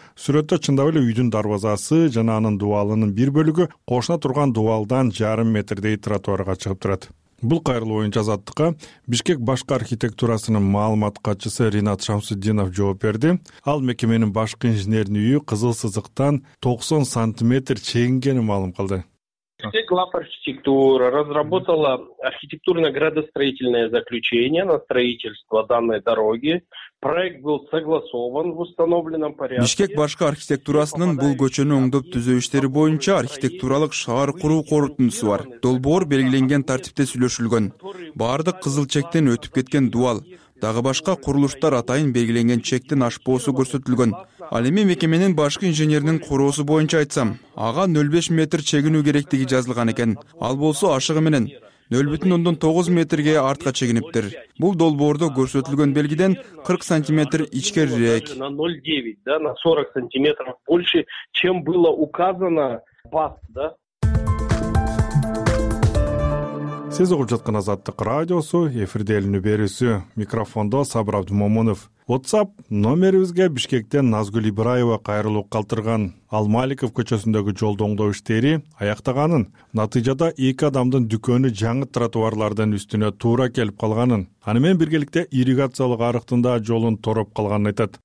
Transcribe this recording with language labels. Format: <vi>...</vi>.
<ky>Сүрөттө чындап эле үйдүн дарбазасы жана анын дубалынын бир бөлүгү кошуна турган дубалдан 0.5 метрдей тротуарга чыгып турат. Бул кайрылуу боюнча Азаттыкка Бишкек башкы архитектурасынын маалымат катчысы Ринат Шамсутдинов жооп берди. Ал мекеменин башкы инженеринин үйү кызыл сызыктан 90 сантиметр чегингенин маалым кылды.</ky> <ru>Бишкек глав архитектура разработала архитектурно-градостроительное заключение на строительство данной дороги. Проект был согласован в установленном порядке.</ru> <ky>Бишкек башкы архитектурасынын бул көчөнү оңдоп түзөө иштери боюнча архитектуралык шаар куруу корутундусу бар. Долбоор белгиленген тартипте сүйлөшүлгөн. Бардык кызыл чектен өтүп кеткен дубал, дагы башка курулуштар атайын белгиленген чектен ашпоосу көрсөтүлгөн. Ал эми мекеменин башкы инженеринин короосу боюнча айтсам, ага 0.5 метр чегинүү керектиги жазылган экен. Ал болсо ашыгы менен 0.9 метрге артка чегиниптир. Бул долбоордо көрсөтүлгөн белгиден 40 сантиметр ичкерирээк.</ky> <ru>На 0.9, да, на 40 сантиметров больше, чем было указано пас, да.</ru> <ky>Сиз угуп жаткан Азаттык радиосу, эфирде эл үнү берүүсү. Микрофондо Сабыр Абдумомунов. WhatsApp номерибизге Бишкектен Назгүл Ибраева кайрылуу калтырган. Ал Маликов көчөсүндөгү жолду оңдоо иштери аяктаганын, натыйжада эки адамдын дүкөнү жаңы тротуарлардын үстүнө туура келип калганын, аны менен биргеликте ирригациялык арыктын да жолун тороп калганын айтат.</ky>